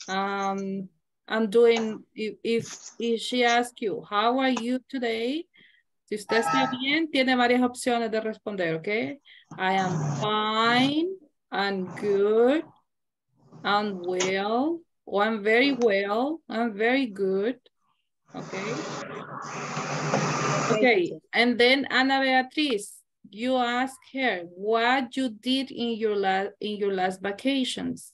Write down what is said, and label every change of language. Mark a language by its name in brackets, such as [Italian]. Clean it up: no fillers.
[English] I'm doing, if she asks you, how are you today? [Spanish] Si usted está bien, tiene varias opciones de responder, okay? [English] I am fine. I'm good, I'm well, or I'm very well, I'm very good, okay? Okay, and then Ana Beatriz, you ask her what you did in your last vacations.